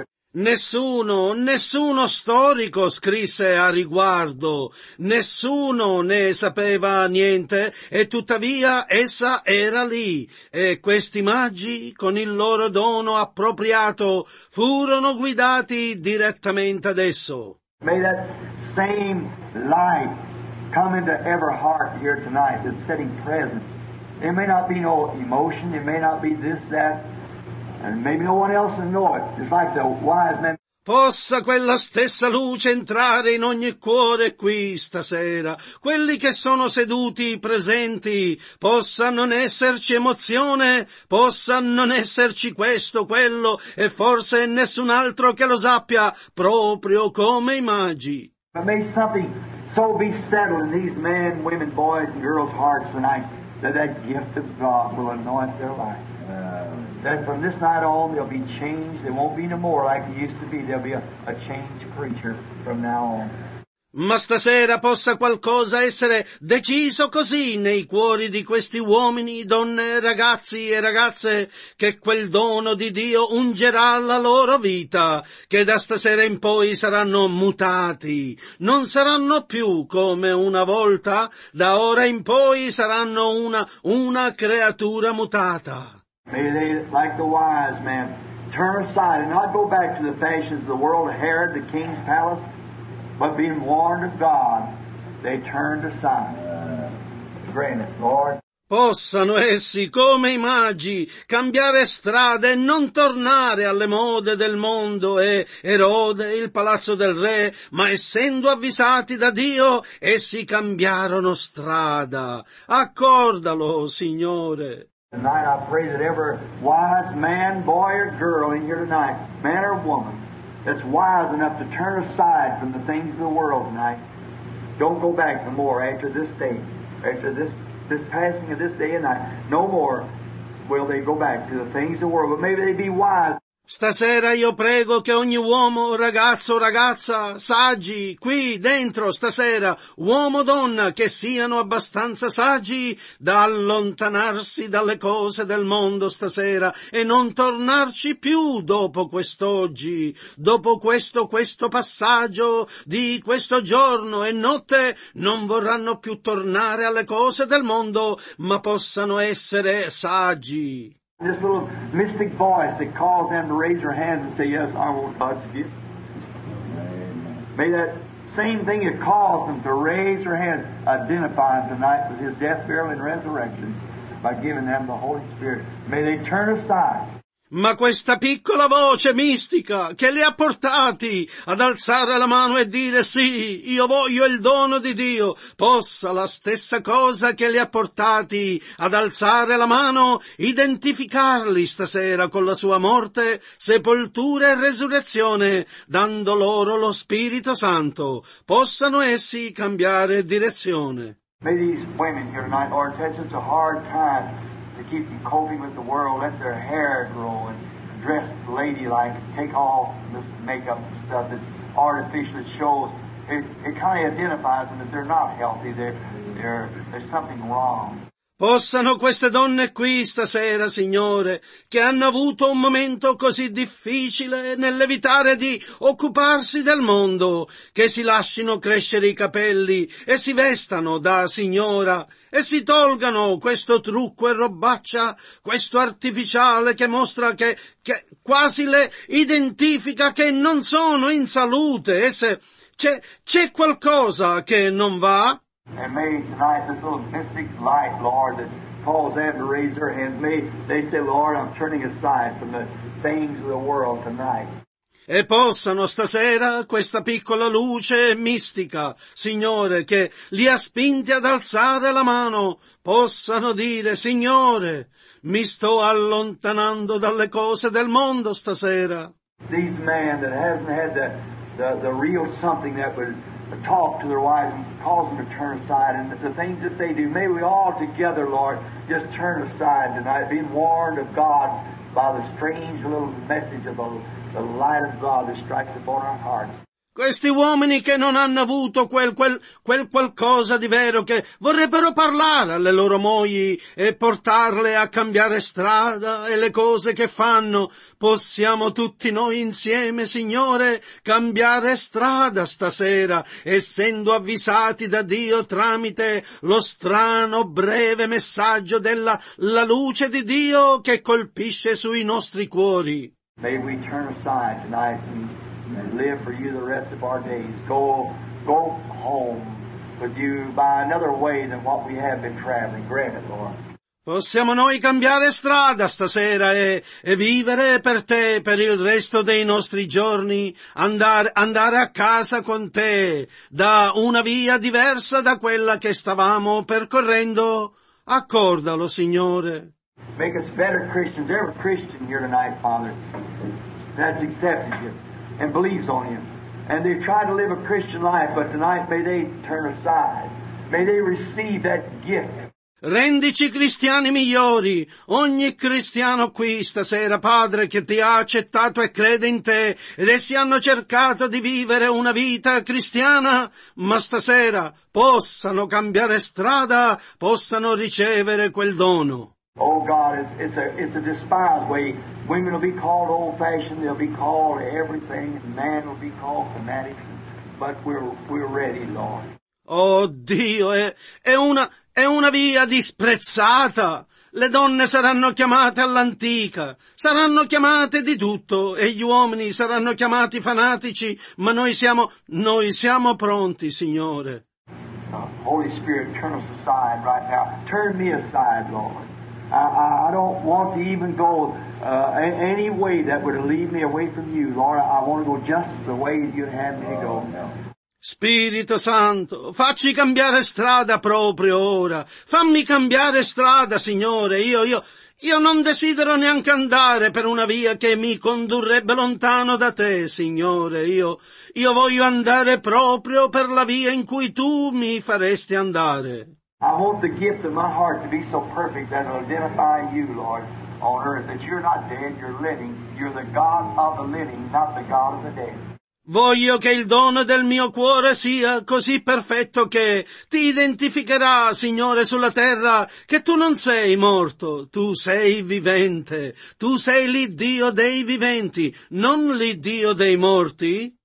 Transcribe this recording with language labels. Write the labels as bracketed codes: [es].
[it] Nessuno storico scrisse a riguardo, nessuno ne sapeva niente, e tuttavia essa era lì, e questi magi, con il loro dono appropriato, furono guidati direttamente ad esso. [en] May that same light come into every heart here tonight that's sitting present. It may not be no emotion, it may not be this, that, and maybe no one else will know it. It's like the wise men. [it] Possa quella stessa luce entrare in ogni cuore qui stasera. Quelli che sono seduti presenti, possa non esserci emozione, possa non esserci questo, quello, e forse nessun altro che lo sappia, proprio come i magi. [en] But may something so be settled in these men, women, boys and girls' hearts tonight. That gift of God will anoint their life. That from this night on they'll be changed. They won't be no more like they used to be. They'll be a changed creature from now on. [it] Ma stasera possa qualcosa essere deciso così nei cuori di questi uomini, donne, ragazzi e ragazze, che quel dono di Dio ungerà la loro vita, che da stasera in poi saranno mutati, non saranno più come una volta, da ora in poi saranno una creatura mutata. [en] May they, like the wise man, turn aside and not go back to the fashions of the world, Herod, the king's palace. But being warned of God, they turned aside. Grant it, Lord. [it] Possano essi, come i magi, cambiare strada e non tornare alle mode del mondo e Erode, il palazzo del re, ma essendo avvisati da Dio, essi cambiarono strada. Accordalo, Signore. [en] Tonight I pray that every wise man, boy or girl in here tonight, man or woman, that's wise enough to turn aside from the things of the world tonight. Don't go back no more after this day, after this passing of this day and night. No more will they go back to the things of the world, but maybe they be wise. [it] Stasera io prego che ogni uomo, ragazzo, ragazza, saggi, qui, dentro, stasera, uomo, donna, che siano abbastanza saggi da allontanarsi dalle cose del mondo stasera e non tornarci più dopo quest'oggi, dopo questo passaggio di questo giorno e notte, non vorranno più tornare alle cose del mondo, ma possano essere saggi. [en] This little mystic voice that calls them to raise their hands and say, yes, I want God's gift. May that same thing that calls them to raise their hands identify them tonight with His death, burial, and resurrection by giving them the Holy Spirit. May they turn aside. [it] Ma questa piccola voce mistica che li ha portati ad alzare la mano e dire sì, io voglio il dono di Dio, possa la stessa cosa che li ha portati ad alzare la mano identificarli stasera con la sua morte, sepoltura e resurrezione, dando loro lo Spirito Santo, possano essi cambiare direzione. [en] May these women here tonight, Lord, touch us a hard time. To keep them coping with the world, let their hair grow and dress ladylike, take off this makeup and stuff that artificially shows. It kind of identifies them that they're not healthy, there's something wrong. [it] Possano queste donne qui stasera, Signore, che hanno avuto un momento così difficile nell'evitare di occuparsi del mondo, che si lascino crescere i capelli e si vestano da signora e si tolgano questo trucco e robaccia, questo artificiale che mostra che quasi le identifica che non sono in salute. E se c'è qualcosa che non va? [en] And may tonight this little mystic light, Lord, that calls them to raise their hands, may they say, Lord, I'm turning aside from the things of the world tonight. [it] e possano stasera questa piccola luce mistica, Signore, che li ha spinti ad alzare la mano, possano dire: Signore, mi sto allontanando dalle cose del mondo stasera. [en] These men that hasn't had the real something that would talk to their wives and cause them to turn aside, and the things that they do, may we all together, Lord, just turn aside tonight, being warned of God by the strange little message of the light of God that strikes upon our hearts. [it] Questi uomini che non hanno avuto quel qualcosa di vero, che vorrebbero parlare alle loro mogli e portarle a cambiare strada e le cose che fanno, possiamo tutti noi insieme, Signore, cambiare strada stasera, essendo avvisati da Dio tramite lo strano breve messaggio della la luce di Dio che colpisce sui nostri cuori. [en] May we turn aside tonight and live for you the rest of our days. Go home with you by another way than what we have been traveling. Grant it, Lord. [it] Possiamo noi cambiare strada stasera e vivere per te per il resto dei nostri giorni, andare a casa con te da una via diversa da quella che stavamo percorrendo. Accordalo, Signore. [en] Make us better Christians. Every Christian here tonight, Father, that's accepted you and believes on him. And they've tried to live a Christian life, but tonight may they turn aside. May they receive that gift. [it] Rendici cristiani migliori, ogni cristiano qui stasera, Padre, che ti ha accettato e crede in te, ed essi hanno cercato di vivere una vita cristiana, ma stasera possano cambiare strada, possano ricevere quel dono. [en] Oh God, it's a despised way. Women will be called old-fashioned, they'll be called everything, and man will be called fanatics, but we're ready, Lord. [it] Oh Dio, è una via disprezzata. Le donne saranno chiamate all'antica, saranno chiamate di tutto, e gli uomini saranno chiamati fanatici, ma noi siamo pronti, Signore. [en] Holy Spirit, turn us aside right now. Turn me aside, Lord. I don't want to even go any way that would lead me away from you, Lord. I want to go just the way you have me go. [it] Spirito Santo, facci cambiare strada proprio ora. Fammi cambiare strada, Signore. Io non desidero neanche andare per una via che mi condurrebbe lontano da te, Signore. Io voglio andare proprio per la via in cui tu mi faresti andare. [en] I want the gift of my heart to be so perfect that it'll identify you, Lord, on earth, that you're not dead, you're living. You're the God of the living, not the God of the dead. [it] Voglio che il dono del mio cuore sia così perfetto che ti identificherà, Signore, sulla terra, che tu non sei morto, tu sei vivente. Tu sei l'Iddio dei viventi, non l'Iddio dei morti.